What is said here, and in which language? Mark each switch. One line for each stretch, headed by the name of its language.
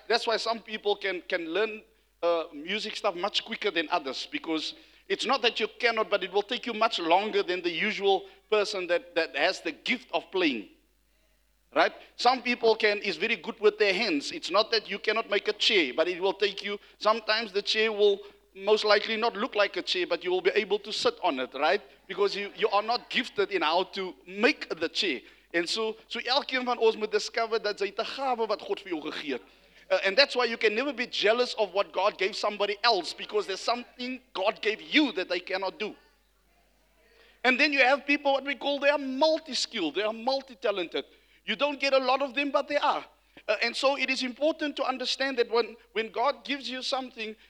English: That's why some people can learn music stuff much quicker than others, because it's not that you cannot, but it will take you much longer than the usual person that has the gift of playing, right? Some people is very good with their hands. It's not that you cannot make a chair, but it will take you, sometimes the chair will most likely not look like a chair, but you will be able to sit on it, right? Because you are not gifted in how to make the chair. And so
Afrikaans: elkeen van ons moet discover dat jy 'n gawe wat God vir jou gegee het.
English: And that's why you can never be jealous of what God gave somebody else, because there's something God gave you that they cannot do. And then you have people, what we call, they are multi-skilled, they are multi-talented. You don't get a lot of them, but they are. And so it is important to understand that when God gives you something,